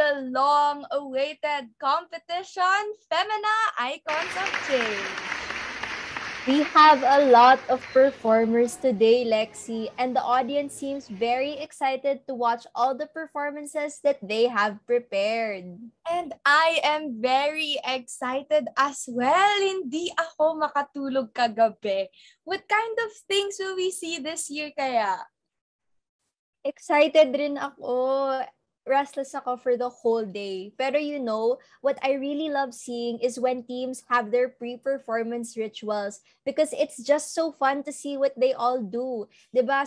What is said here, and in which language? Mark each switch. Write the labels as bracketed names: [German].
[English] The long-awaited competition, Femina Icons of Change. We have a lot of performers today, Lexi, and the audience seems very excited to watch all the performances that they have prepared. And I am very excited as well. [Filipino] Hindi ako makatulog kagabi. [English] What kind of things will we see this year [Filipino] kaya? Excited rin ako. Restless ako [English] for the whole day. Pero you know, what I really love seeing is when teams have their pre-performance rituals because it's just so fun to see what they all do. Diba?